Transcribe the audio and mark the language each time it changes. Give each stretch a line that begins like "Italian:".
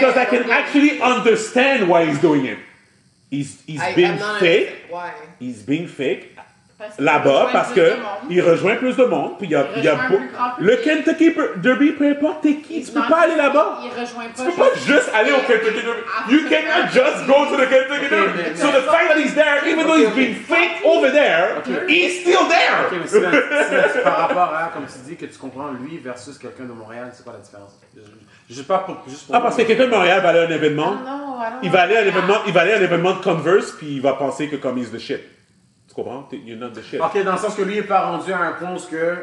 English: It's easier for me to look at Diddy doing that because I can actually understand why he's doing it. He's being fake. Why? He's being fake.
French: Là-bas, parce qu'il rejoint plus de monde. Puis le Kentucky Derby, peu importe, t'es qui? Tu peux pas aller là-bas. Il rejoint pas. Tu peux pas juste aller au Kentucky Derby.
English: You cannot just go to the Kentucky Derby. So the fact that he's there, even though he's being fake over there, he's still there.
French: Ok, mais c'est par rapport à, comme tu dis, que tu comprends lui versus quelqu'un de Montréal, c'est quoi la différence? Juste pour quelqu'un de Montréal va aller à un événement. Il va aller à un événement de Converse, puis il va penser que comme
English: he's the shit.
French: Tu comprends?
English: You're not the shit.
French: Ok, dans le sens que lui n'est pas rendu à un point où ce que.